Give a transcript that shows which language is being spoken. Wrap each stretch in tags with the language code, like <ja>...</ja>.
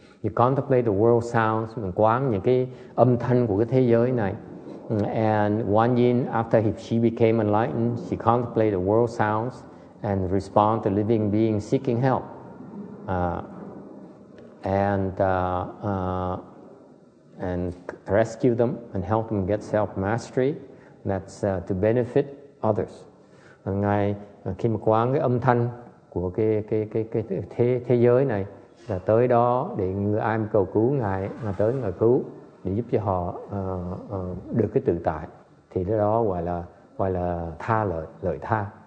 <en>You contemplate the world sounds,</en> <vi>mình quán những cái âm thanh của cái thế giới này.</vi> <en>And Wan Yin, after she became enlightened, she contemplated the world sounds and respond to living beings seeking help. And rescue them and help them get self-mastery. That's to benefit others.</en> <vi>Ngài khi mà quán cái âm thanh của cái thế giới này là tới đó để người ai cầu cứu ngài mà tới ngài cứu để giúp cho họ được cái tự tại thì cái đó gọi là tha lợi tha.</vi>